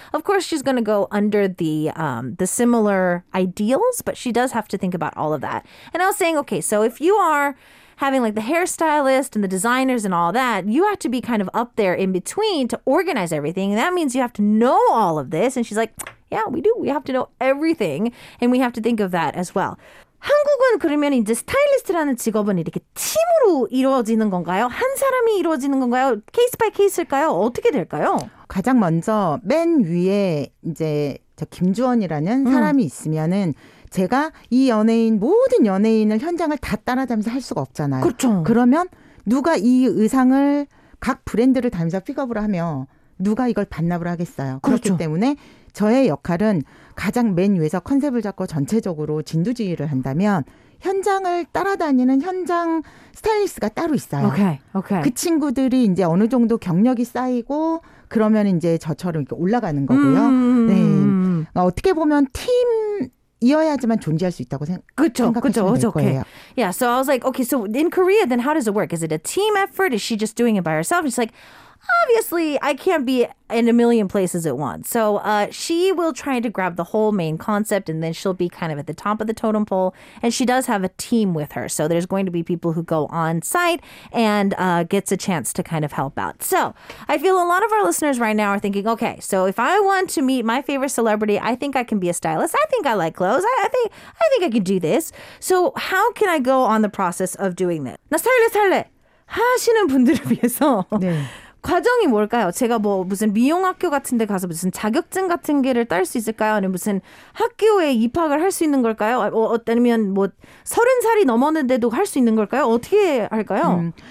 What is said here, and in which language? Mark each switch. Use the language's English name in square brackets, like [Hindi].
[English] Of course, she's going to go under the similar ideals, but she does have to think about all of that. And I was saying, okay, so if you are having like the hairstylist and the designers and all that, you have to be kind of up there in between to organize everything. And that means you have to know all of this. And she's like, yeah, we do. We have to know everything. And we have to think of that as well. [Korean] 한국은 그러면 이제 스타일리스트라는 직업은 이렇게 팀으로 이루어지는 건가요? 한 사람이 이루어지는 건가요? 케이스 바이 케이스일까요? 어떻게 될까요? 가장 먼저 맨 위에 이제 저 김주원이라는 사람이 있으면은 제가 이 연예인 모든 연예인을 현장을 다 따라다니면서 할 수가 없잖아요. 그렇죠. 그러면 누가 이 의상을 각 브랜드를 다니면서 픽업을 하면 누가 이걸 반납을 하겠어요. 그렇죠. 그렇기 때문에 저의 역할은 가장 맨 위에서 컨셉을 잡고 전체적으로 진두지휘를 한다면 현장을 따라다니는 현장 스타일리스트가 따로 있어요. [English] Okay, okay. [Korean] 그 친구들이 이제 어느 정도 경력이 쌓이고 그러면 이제 저처럼 이렇게 올라가는 거고요. 네. 어떻게 보면 팀 이어야지만 존재할 수 있다고 생각하시면 될 거예요. [English] Okay. Yeah, so I was like, okay, so in Korea, then how does it work? Is it a team effort? Is she just doing it by herself? It's like, obviously, I can't be in a million places at once. So she will try to grab the whole main concept and then she'll be kind of at the top of the totem pole. And she does have a team with her. So there's going to be people who go on site and gets a chance to kind of help out. So I feel a lot of our listeners right now are thinking, okay, so if I want to meet my favorite celebrity, I think I can be a stylist. I think I like clothes. I think I can do this. So how can I go on the process of doing this? [Korean] 나 스타일리스트 하시는 분들을 위해서 네. 과정이 뭘까요? 제가 뭐 무슨 미용학교 같은 데 가서 무슨 자격증 같은 게를 딸 수 있을까요? 아니면 무슨 학교에 입학을 할 수 있는 걸까요? 아니면 뭐 서른 살이 넘었는데도 할 수 있는 걸까요? 어떻게 할까요?